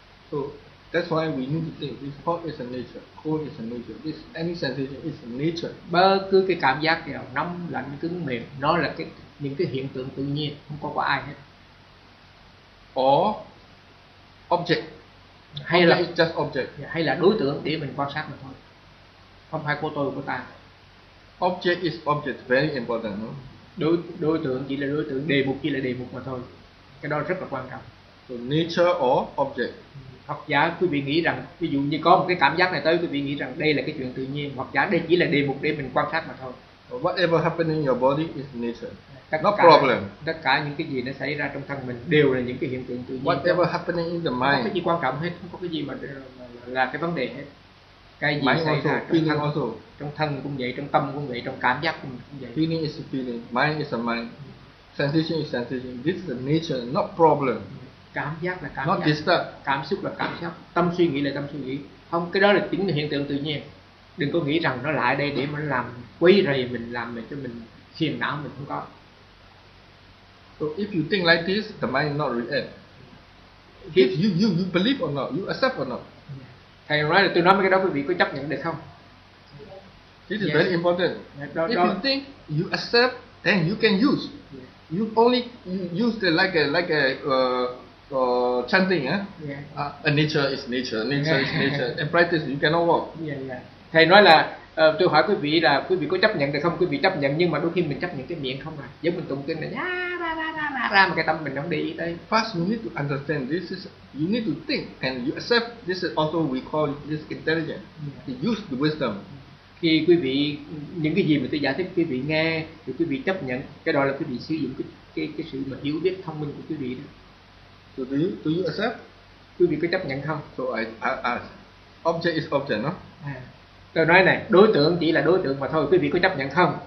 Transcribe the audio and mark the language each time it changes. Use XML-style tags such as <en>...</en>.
<en>So, that's why we need to think this hot is a nature, cold is a nature, this any sensation is a nature.</en> <vi>Bất cứ cái cảm giác nào, nóng, lạnh, cứng, mềm, nó là cái những cái hiện tượng tự nhiên, không có của ai hết.</vi> <en>Or, object.</en> <vi>Hay là</vi> <en>just object,</en> <vi>hay là đối tượng để mình quan sát mà thôi, không phải của tôi của ta.</vi> <en>Object is object, very important. No?</en> <vi>Đối tượng chỉ là đối tượng, đề mục chỉ là đề mục mà thôi, cái đó rất là quan trọng.</vi> <en>So nature or object.</en> <vi>Hoặc giả quý vị nghĩ rằng ví dụ như có một cái cảm giác này tới, quý vị nghĩ rằng đây là cái chuyện tự nhiên, hoặc giả đây chỉ là đề mục để mình quan sát mà thôi.</vi> <en>So whatever happening in your body is nature. No problem.</en> <vi>Tất cả những cái gì nó xảy ra trong thân mình đều là những cái hiện tượng tự nhiên.</vi> <en>Whatever happening in the mind.</en> <vi>Không có cái gì quan trọng hết, không có cái gì mà là cái vấn đề hết. Cái gì</vi> <en>mind</en> <vi>xảy</vi> <en>also,</en> <vi>ra trong thân</vi> <en>also.</en> <vi>Trong thân cũng vậy, trong tâm cũng vậy, trong cảm giác cũng vậy.</vi> <en>Feeling is a feeling, mind is a mind. Sensation is sensation. This is the nature, not problem.</en> <vi>Cảm giác là cảm</vi> <en>not</en> <vi>giác.</vi> <en>Not disturb.</en> <vi>Cảm xúc là cảm xúc. Tâm suy nghĩ là tâm suy nghĩ. Không, cái đó là chính hiện tượng tự nhiên. Đừng có nghĩ rằng nó lại đây để mà nó làm quấy rầy mình, làm để cho mình phiền não, mình không có.</vi> <en>So if you think like this, the mind not react. If you believe or not, you accept or not.</en> <vi>Thầy nói là tôi nói mấy cái đó quý vị có chấp nhận được không?</vi> <en>This is very important. If you think, you accept, then you can use. You only use the like a chanting. Nature is nature, nature is nature. In practice, you cannot walk. Yeah.</en> <vi>Thầy nói là tôi hỏi quý vị có chấp nhận được không? Quý vị chấp nhận, nhưng mà đôi khi mình chấp nhận cái miệng không à? Giống mình tụng kinh này, ra mà cái tâm mình không để ý tới.</vi> <en>First, you need to understand this is, you need to think and you accept this is also we call this intelligence. Yeah. Use the wisdom.</en> <vi>Khi quý vị những cái gì mà tôi giải thích quý vị nghe, thì quý vị chấp nhận, cái đó là quý vị sử dụng cái sự mà hiểu biết thông minh của quý vị đó.</vi> <en>So do you accept?</en> <vi>Quý vị có chấp nhận không?</vi> <en>So I ask. Object is object, no?</en> <vi>Tôi nói này, đối tượng chỉ là đối tượng mà thôi, quý vị có chấp nhận không?</vi>